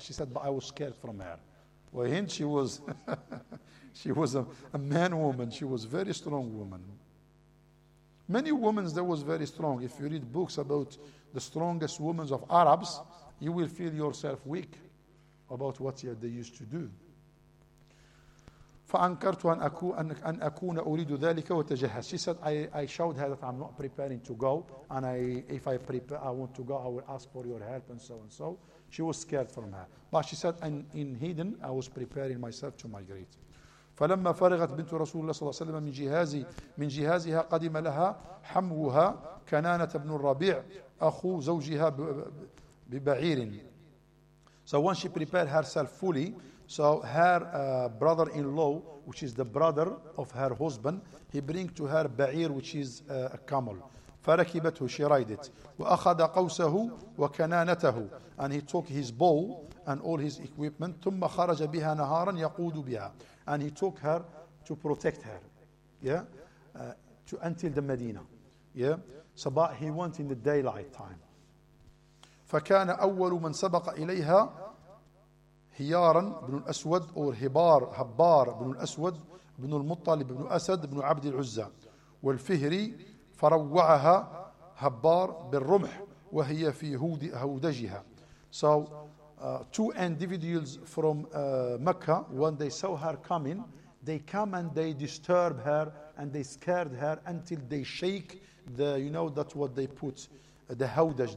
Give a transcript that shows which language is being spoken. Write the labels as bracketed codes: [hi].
[en] She said, but I was scared from her. When she was, she was a man woman. She was a very strong woman. Many women that was very strong. If you read books about the strongest women of Arabs, you will feel yourself weak about what they used to do. [ar] فأنكرت أن أكون أن أكون أريد ذلك وتجهز. [en] She said, I showed her that I'm not preparing to go, and if I want to go, I will ask for your help and so and so. She was scared from her, but she said, in hidden, I was preparing myself to migrate. [ar] فلما فرغت بنت رسول الله صلى الله عليه وسلم من جهازي من جهازها قدم لها حموها كنانة بن الربيع أخو زوجها ببعير. [en] So once she prepared herself fully. So her brother-in-law, which is the brother of her husband, he brings to her ba'ir, which is a camel. [ar] فَرَكِبَتْهُ [en] She ride it. [ar] وَأَخَذَ قَوْسَهُ وَكَنَانَتَهُ [en] And he took his bow and all his equipment. [ar] ثُمَّ خَرَجَ بِهَا نَهَارًا يَقُودُ بِهَا [en] And he took her to protect her. Yeah? Until the Medina. Yeah? So but he went in the daylight time. [ar] فَكَانَ أَوَّلُ مَنْ سَبَقَ إِلَيْهَا هيارا بن الأسود أو هبار هبار بن الأسود بن المطلب بن أسد بن عبد العزة والفهري فروعها هبار بالرمح وهي في هودجها. [en] So two individuals from Mecca, when they saw her coming, they come and they disturb her and they scared her until they shake the, you know, that what they put, the hodaj.